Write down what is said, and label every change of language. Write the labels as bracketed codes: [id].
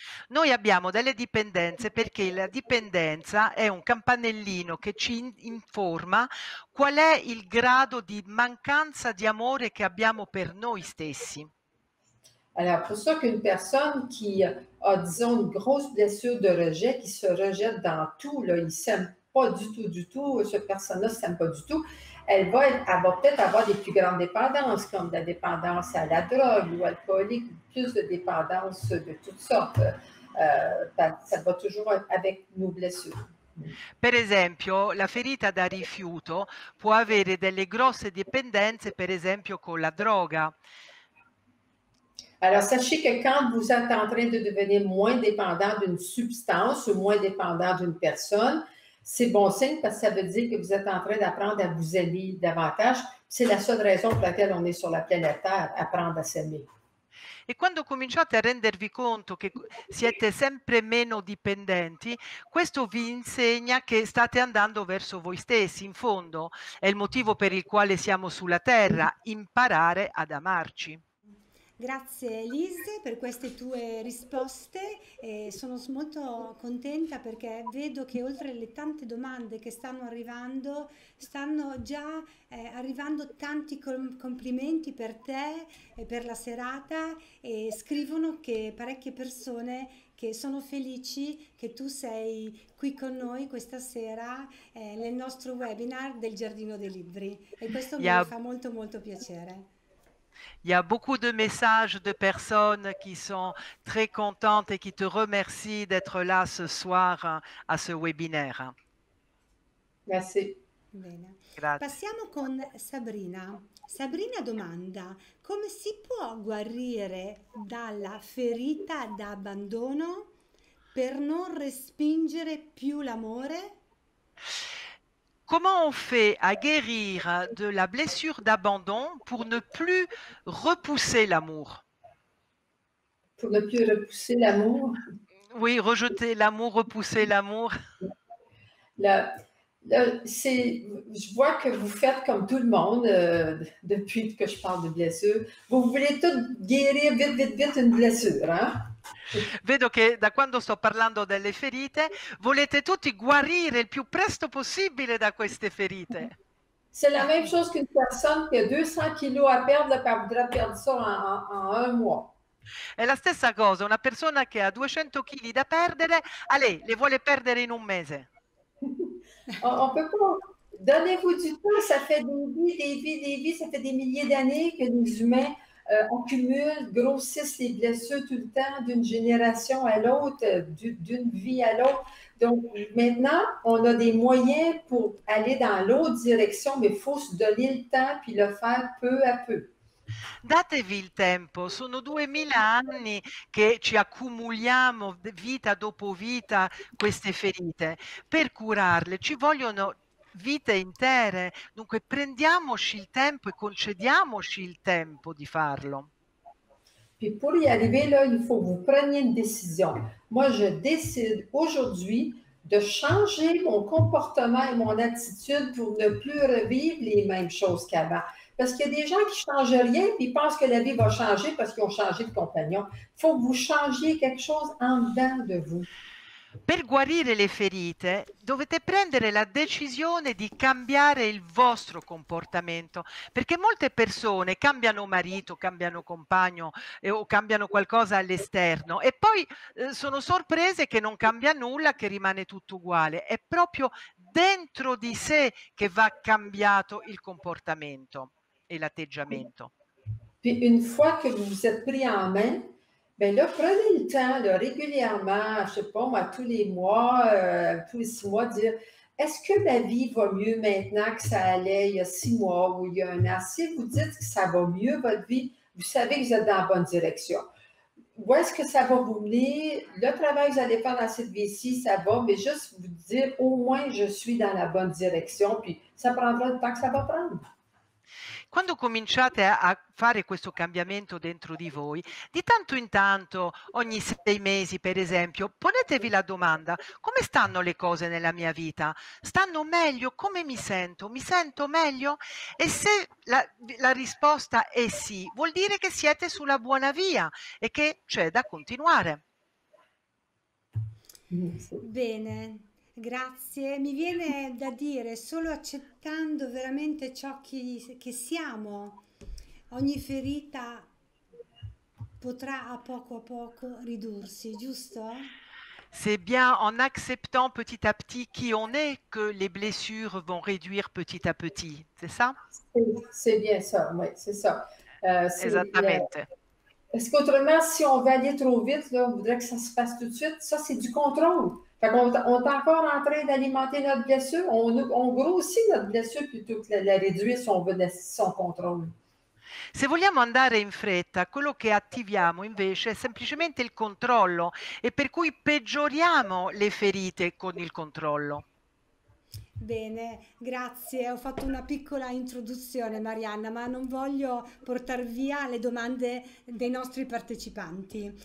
[it] Noi abbiamo delle dipendenze perché la dipendenza è un campanellino che ci informa qual è il grado di mancanza di amore che abbiamo per noi stessi. [fr] Alors, pour ça qu'une personne qui a, disons, une grosse blessure de rejet, qui se rejette dans tout, là, il s'aime pas du tout, cette personne-là s'aime pas du tout, elle va peut-être avoir des plus grandes dépendances, comme la dépendance à la drogue ou alcoolique, plus de dépendance de toutes sortes. Ça va toujours avec nos blessures. [it] Per esempio, la ferita da rifiuto può avere delle grosse dipendenze, per esempio, con la droga. [fr] Alors, sachez que quand vous êtes en train de devenir moins dépendant d'une substance ou moins dépendant d'une personne, c'est bon signe parce que ça veut dire que vous êtes en train d'apprendre à vous aimer davantage. C'est la seule raison pour laquelle on est sur la planète Terre, apprendre à s'aimer. [it] E quando cominciate a rendervi conto che siete sempre meno dipendenti, questo vi insegna che state andando verso voi stessi. In fondo, è il motivo per il quale siamo sulla Terra, imparare ad amarci. Grazie Liz per queste tue risposte, sono molto contenta perché vedo che oltre alle tante domande che stanno già arrivando tanti complimenti per te e per la serata, e scrivono che parecchie persone che sono felici che tu sei qui con noi questa sera nel nostro webinar del Giardino dei Libri, e questo mi fa molto molto piacere. [fr] Il y a beaucoup de messages de personnes qui sont très contentes et qui te remercient d'être là ce soir à ce webinaire. Merci. [it] Bene. Grazie. Passiamo con Sabrina. Sabrina domanda: come si può guarire dalla ferita d'abbandono per non respingere più l'amore? [fr] Comment on fait à guérir de la blessure d'abandon pour ne plus repousser l'amour? Pour ne plus repousser l'amour? Oui, rejeter l'amour, repousser l'amour. Je vois que vous faites comme tout le monde depuis que je parle de blessure. Vous voulez tout guérir vite, vite, vite une blessure, hein? [it] Vedo che da quando sto parlando delle ferite volete tutti guarire il più presto possibile da queste ferite. [fr] C'est la même chose qu'une personne qui a 200 kg à perdre e voudra perdre ça en un mois. [it] È la stessa cosa, una persona che ha 200 kg da perdere, a lei le vuole perdere in un mese. [fr] On peut pas. Donnez-vous du temps, ça fait des vies, ça fait des milliers d'années que les humains accumulent, grossissent les blessures tout le temps d'une génération à l'autre, d'une vie à l'autre. Donc maintenant, on a des moyens pour aller dans l'autre direction, mais il faut se donner le temps puis le faire peu à peu. [it] Datevi il tempo, sono 2000 anni che ci accumuliamo vita dopo vita queste ferite. Per curarle ci vogliono vite intere, dunque prendiamoci il tempo e concediamoci il tempo di farlo. [fr] Puis pour y arriver là, il faut que vous preniez une décision. Moi, je décide aujourd'hui de changer mon comportement et mon attitude pour ne plus revivre les mêmes choses qu'avant. Parce qu'il y a des gens qui ne changent rien et pensent que la vie va changer parce qu'ils ont changé de compagnon. Il faut que vous changiez quelque chose en dedans de vous. [it] Per guarire le ferite dovete prendere la decisione di cambiare il vostro comportamento, perché molte persone cambiano marito, cambiano compagno o cambiano qualcosa all'esterno e poi sono sorprese che non cambia nulla, che rimane tutto uguale. È proprio dentro di sé che va cambiato il comportamento. et l'atteggiamento. [fr] Puis une fois que vous vous êtes pris en main, ben là, prenez le temps là, régulièrement, je sais pas moi, tous les mois, tous les 6 mois, dire est-ce que ma vie va mieux maintenant que ça allait il y a 6 mois ou il y a 1 an? Si vous dites que ça va mieux votre vie, vous savez que vous êtes dans la bonne direction. Où est-ce que ça va vous mener? Le travail que vous allez faire dans cette vie-ci, ça va, mais juste vous dire au moins je suis dans la bonne direction, puis ça prendra le temps que ça va prendre. [it] Quando cominciate a fare questo cambiamento dentro di voi, di tanto in tanto, ogni 6 mesi per esempio, ponetevi la domanda: come stanno le cose nella mia vita? Stanno meglio? Come mi sento? Mi sento meglio? E se la risposta è sì, vuol dire che siete sulla buona via e che c'è da continuare. Bene. Grazie, mi viene da dire solo accettando veramente ciò che siamo, ogni ferita potrà a poco ridursi, giusto? [fr] C'est bien en acceptant petit à petit qui on est que les blessures vont réduire petit à petit, c'est ça? C'est bien ça, oui, c'est ça. Exactement. Est-ce qu'autrement, si on veut aller trop vite, là, on voudrait que ça se passe tout de suite, ça c'est du contrôle. Fait qu'on est encore en train d'alimenter notre blessure, on grossit notre blessure plutôt que la réduire si on veut laisser son contrôle. [it] Se vogliamo andare in fretta, quello che attiviamo invece è semplicemente il controllo e per cui peggioriamo le ferite con il controllo. Bene, grazie. Ho fatto una piccola introduzione, Marianna, ma non voglio portar via le domande dei nostri partecipanti.